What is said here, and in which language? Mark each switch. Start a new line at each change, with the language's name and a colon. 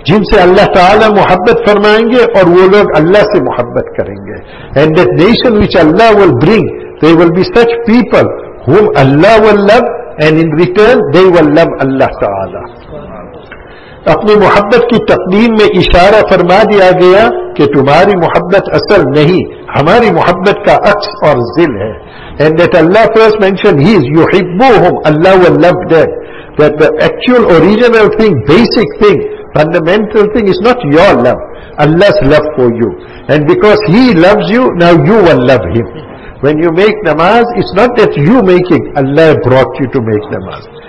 Urdu: جن سے اللہ تعالیٰ محبت فرمائیں گے اور وہ لوگ اللہ سے محبت کریں گے.
English: And that nation which Allah will bring, they will be such people whom Allah will love, and in return they will love Allah تعالیٰ.
Urdu: اپنی محبت کی تقدیم میں اشارہ فرما دیا گیا کہ تمہاری محبت اصل نہیں, ہماری محبت کا عکس اور ذل ہے.
English: And that Allah first mentioned, He is yuhibbuhum, Allah will love them. That the actual original thing, basic thing, fundamental thing is not your love, Allah's love for you. And because He loves you, now you will love Him. When you make namaz, it's not that you making, Allah brought you to make namaz.